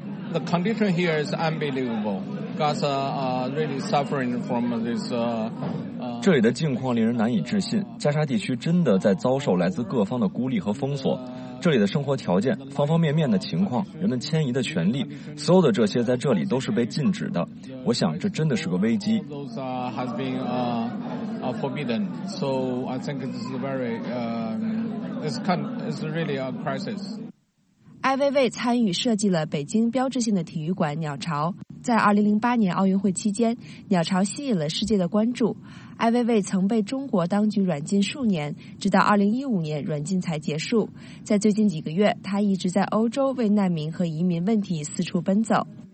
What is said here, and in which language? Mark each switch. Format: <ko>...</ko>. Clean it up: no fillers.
<en>The condition here is unbelievable. Gaza really suffering from this.</en> <zh>这里的境况令人难以置信。加沙地区真的在遭受来自各方的孤立和封锁。这里的生活条件、方方面面的情况、人们迁移的权利，所有的这些在这里都是被禁止的。我想这真的是个危机。</zh> <en>Those has been forbidden. So I think this is very it's really a crisis.</en> <zh>艾薇薇参与设计了北京标志性的体育馆鸟巢，在2008年奥运会期间，鸟巢吸引了世界的关注。艾薇薇曾被中国当局软禁数年，直到2015年软禁才结束。在最近几个月，她一直在欧洲为难民和移民问题四处奔走。</zh>